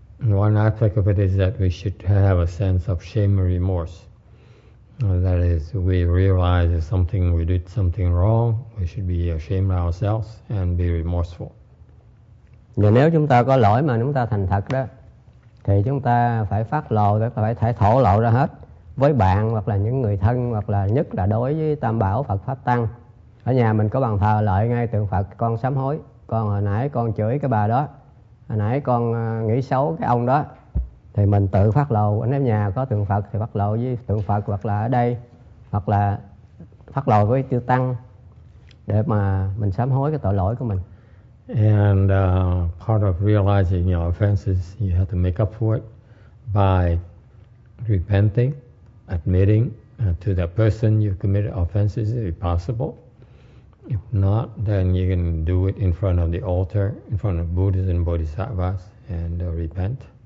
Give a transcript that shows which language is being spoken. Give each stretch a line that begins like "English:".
English: One aspect of it is that we should have a sense of shame and remorse. That is, we realize that something, we did something wrong, we should be ashamed of ourselves and be remorseful.
Vietnamese: Và nếu chúng ta có lỗi mà chúng ta thành thật đó, thì chúng ta phải phát lộ, phải thải thổ lộ ra hết với bạn hoặc là những người thân, hoặc là nhất là đối với Tam Bảo Phật Pháp Tăng. Ở nhà mình có bàn thờ lại ngay tượng Phật, con sám hối, con hồi nãy con chửi cái bà đó, hồi nãy con nghĩ xấu cái ông đó. Thì mình tự phát lộ, anh em nhà có tượng Phật thì phát lộ với tượng Phật, hoặc là ở đây, hoặc là phát lộ với Chư Tăng để mà mình sám hối cái tội lỗi của mình.
English: And part of realizing your offenses, you have to make up for it by repenting, admitting to the person you committed offenses if possible. If not, then you can do it in front of the altar, in front of Buddhas and Bodhisattvas, and repent.